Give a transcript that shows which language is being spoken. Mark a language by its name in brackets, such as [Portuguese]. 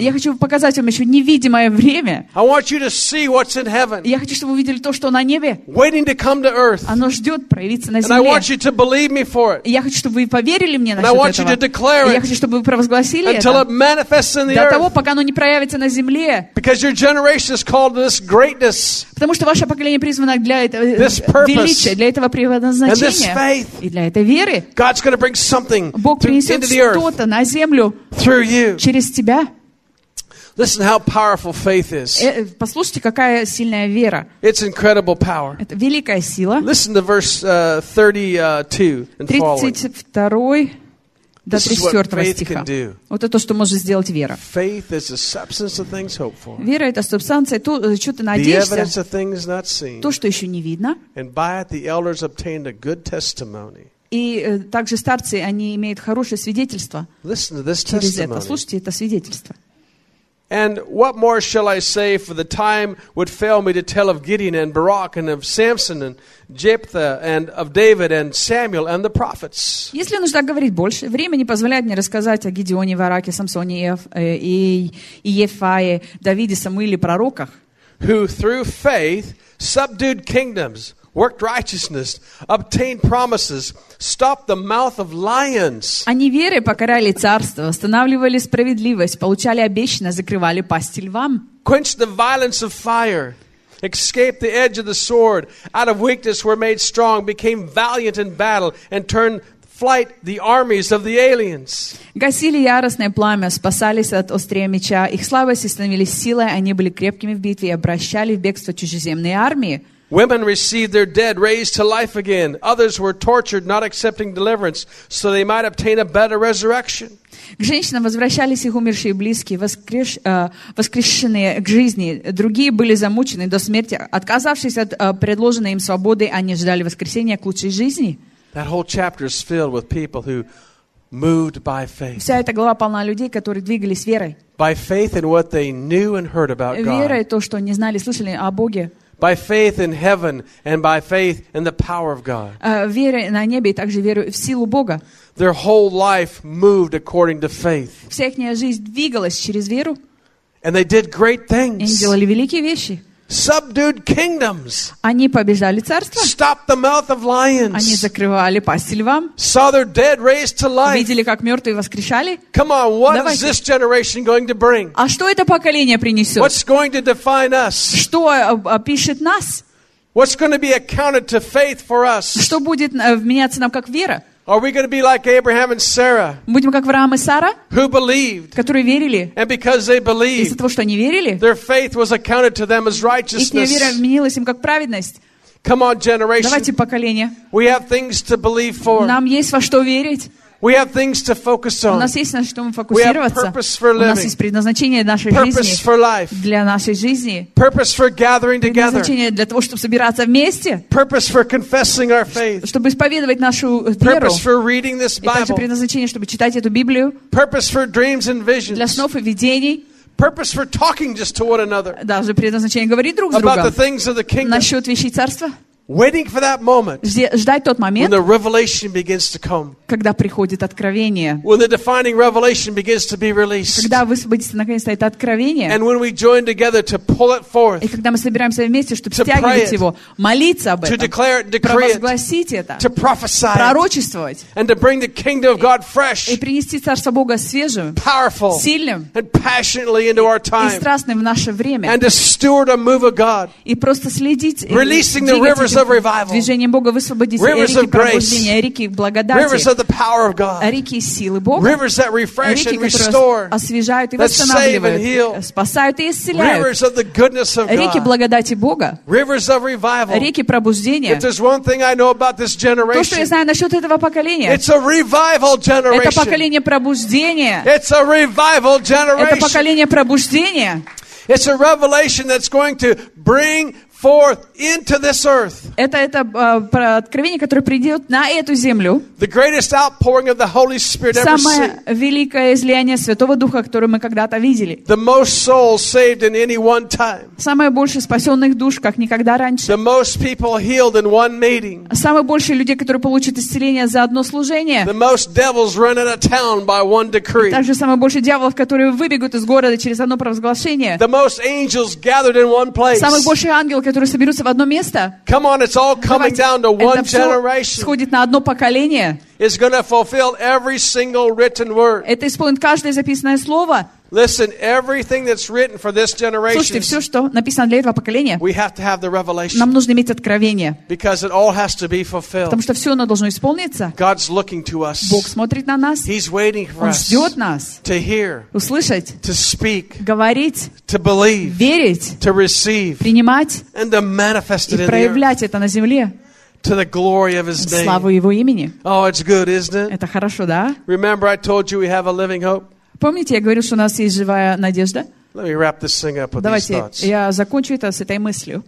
[Russian] Я хочу показать вам еще невидимое время. [English] I want you to see what's in heaven. [Russian] Я хочу, чтобы вы видели то, что на небе. [English] Waiting to come to earth. [Russian] Оно ждет проявиться на земле. [English] And I want you to believe me for it. [Russian] Я хочу, чтобы вы поверили мне насчет [English] And I want [Russian] этого. [English] You to declare it. [Russian] Я хочу, чтобы вы провозгласили [English] until [Russian] это. [English] Until it manifests in the earth. [Russian] До того, пока оно не проявится на земле. [English] Because your generation is called this greatness. [Russian] Потому что ваше поколение призвано для этого величия, для этого призвано. [English] And this faith, [Russian] и для этой веры [English] God's going to bring something [Russian] Бог принесет что-то на землю [English] through you. [Russian] Через тебя. [English] Listen how powerful faith is. [Russian] Послушайте, какая сильная вера. [English] It's incredible power. [Russian] Это великая сила. [English] Listen to verse 32 and following. [Russian] 32 до 34 стиха. Вот это, что может сделать вера. [English] Faith is the substance of things hoped for. [Russian] Вера — это субстанция, то, за что ты надеешься. [English] The evidence of things not seen. [Russian] То, что еще не видно. [English] And by it the elders obtained a good testimony. [Russian] И также старцы, они имеют хорошее свидетельство. [English] Listen to this testimony. [Russian] Послушайте это свидетельство. [English] And what more shall I say, for the time would fail me to tell of Gideon and Barak and of Samson and Jephthah and of David and Samuel and the prophets. [Russian] Если нужно говорить больше, время не позволяет мне рассказать о Гидеоне, Бараке, Самсоне, Ефае, Давиде, Самуиле, пророках. [English] Who through faith subdued kingdoms, worked righteousness, obtained promises, stopped the mouth of lions. [Russian] Они верой покоряли царство, восстанавливали справедливость, получали обещания, закрывали пасти львам. [English] Quenched the violence of fire, escaped the edge of the sword, out of weakness were made strong, became valiant in battle, and turned flight the armies of the aliens. [Russian] Гасили яростное пламя, спасались от острия меча, их слабости становились силой, они были крепкими в битве и обращали в бегство чужеземные армии. [English] Women received their dead raised to life again. Others were tortured, not accepting deliverance, so they might obtain a better resurrection. [Russian] К женщинам возвращались их умершие близкие, воскрешенные к жизни. Другие были замучены до смерти, отказавшись от предложенной им свободы, они ждали воскресения к лучшей жизни. [English] That whole chapter is filled with people who moved by faith. [Russian] Вся эта глава полна людей, которые двигались верой. [English] By faith in what they knew and heard about God. [Russian] Верой то, что они знали, слышали о Боге. [English] By faith in heaven and by faith in the power of God. [Russian] Вера на небе и также вера в силу Бога. [English] Their whole life moved according to faith. [Russian] Вся их жизнь двигалась через веру. [English] And they did great things. [Russian] Они делали великие вещи. [English] Subdued kingdoms. [Russian] Они побеждали царства. [English] Stopped the mouth of lions. [Russian] Они закрывали пасти львам. [English] Saw their dead raised to life. [Russian] Видели, как мертвые воскрешали. [English] Come on, what is this generation going to bring? [Russian] А что это поколение принесет? [English] What's going to define us? [Russian] Что опишет нас? [English] What's going to be accounted to faith for us? [Russian] Что будет вменяться нам как вера? [English] Are we going to be like Abraham and Sarah? [Russian] Будем как Авраам и Сара? [English] Who believed? [Russian] Которые верили. [English] And because they believed. [Russian] Из-за того, что они верили. [English] Their faith was accounted to them as righteousness. [Russian] Их вера вменилась им как праведность. [English] Come on, generation. [Russian] Давайте поколение. [English] We have things to believe for. [Russian] Нам есть во что верить. [English] We have things to focus on. [Russian] У нас есть на что мы фокусироваться. [English] We have purpose for living. [Russian] У нас есть предназначение нашей [English] purpose [Russian] жизни. [English] Purpose for life. [Russian] Для нашей жизни. [English] Purpose for gathering together. [Russian] Предназначение для того, чтобы собираться вместе. [English] Purpose for confessing our faith. [Russian] Чтобы исповедовать нашу веру. [English] Purpose for reading this Bible. [Russian] И также предназначение, чтобы читать эту Библию. [English] Purpose for dreams and visions. [Russian] Для снов и видений. [English] Purpose for talking just to one another. [Russian] Даже предназначение говорить друг с другом. [English] About the things of the kingdom. [Russian] Насчет вещей царства. [English] Waiting for that moment. [Russian] Ждать тот момент. [English] When the revelation begins to come. [Russian] Когда приходит откровение. [English] When the defining revelation begins to be released. [Russian] Когда высвободится наконец-то это откровение. [English] And when we join together to pull it forth. [Russian] И когда мы собираемся вместе, чтобы втягивать его, молиться об этом. [English] To declare it, decree it. [Russian] Провозгласить это. [English] To prophesy. [Russian] Пророчествовать. [English] And to bring the kingdom of God fresh. [Russian] И принести царство Бога свежим. [English] Powerful. [Russian] Сильным. [English] And passionately into our time. [Russian] И страстным в наше время. [English] And to steward a move of God. [Russian] И просто следить. [English] Releasing the rivers. of revival. [Russian] Движением Бога высвободить [English] rivers [Russian] реки пробуждения, реки благодати. [English] Rivers of the power of God. [Russian] Реки силы Бога. [English] Rivers that refresh [Russian] реки, [English] and restore. [Russian] Освежают и восстанавливают. Спасают и исцеляют. [English] Rivers of the goodness of God. [Russian] Реки благодати Бога. [English] Rivers of revival. [Russian] Реки пробуждения. [English] If there's one thing I know about this generation. [Russian] То, что я знаю насчет этого поколения. [English] It's a revival generation. [Russian] Это поколение пробуждения. [English] It's a revival generation. [Russian] Это поколение пробуждения. [English] It's a revelation that's going to bring forth into this earth. [Russian] Это откровение, которое придет на эту землю. [English] The greatest outpouring of the Holy Spirit ever seen. [Russian] Самое великое излияние Святого Духа, которое мы когда-то видели. [English] The most souls saved in any one time. [Russian] Самое больше спасенных душ, как никогда раньше. [English] The most people healed in one meeting. [Russian] Самое больше людей, которые получат исцеление за одно служение. [English] The most devils run out of town by one decree. [Russian] Также самое больше дьяволов, которые выбегут из города через одно провозглашение. [English] The most angels gathered in one place. [Russian] Самых больше ангелов, которые соберутся в одно место. [English] Come on, it's all coming down to one generation. [Russian] Это все сходит на одно поколение. [English] It's going to fulfill every single written word. [Russian] Это исполнит каждое записанное слово. [English] Listen, everything that's written for this generation. [Russian] Слушайте, все, что написано для этого поколения. [English] We have to have the revelation. [Russian] Нам нужно иметь откровение. [English] Because it all has to be fulfilled. [Russian] Потому что все оно должно исполниться. [English] God's looking to us. [Russian] Бог смотрит на нас. [English] He's waiting for us. [Russian] Он ждет нас. [English] To hear. [Russian] Услышать. [English] To speak. [Russian] Говорить. [English] To believe. [Russian] Верить. [English] To receive. [Russian] Принимать. [English] And to manifest it in the earth. [Russian] И проявлять это на земле. [English] To the glory of His name. [Russian] Славу Его имени. [English] Oh, it's good, isn't it? [Russian] Это хорошо, да? [English] Remember, I told you we have a living hope. [Russian] Помните, я говорил, что у нас есть живая надежда? [English] Let me wrap this thing up with [Russian] Давайте [English] these thoughts. [Russian] Я закончу это с этой мыслью.